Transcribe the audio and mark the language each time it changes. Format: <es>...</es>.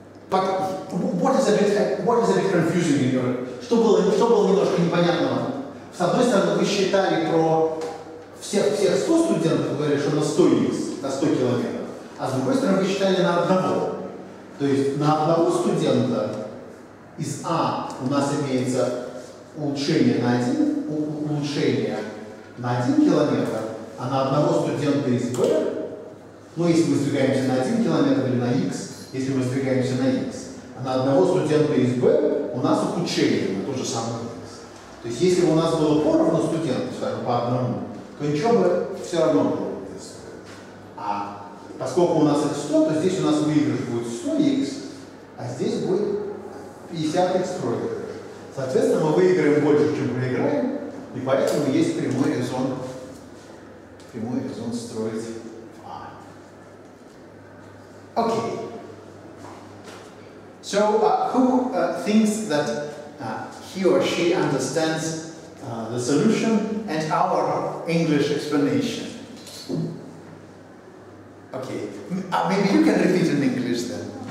<en>But what is a bit confusing in your...</en> <ru>Что было немножко непонятного? С одной стороны, вы считали про всех 100 студентов, говорили, что на 100 есть, на 100 километров. А с другой стороны, вы считали на одного. То есть на одного студента из А у нас имеется улучшение на один километр, а на одного студента из Б, ну если мы сдвигаемся на один километр или на Х, если мы сдвигаемся на Х, а на одного студента из Б у нас ухудшение на тот же самый Х. То есть если бы у нас было поровну студентов, скажем, по одному, то ничего бы все равно было бы здесь. А поскольку у нас это 100, то здесь у нас выигрыш будет 100х, а здесь будет 50х проигрыш. Соответственно, мы выиграем больше, чем проиграем, и поэтому есть прямой резон строить в А. Окей.</ru> <en>So, who thinks that he or she understands the solution and our English explanation? Okay, maybe you can repeat in English then.</en>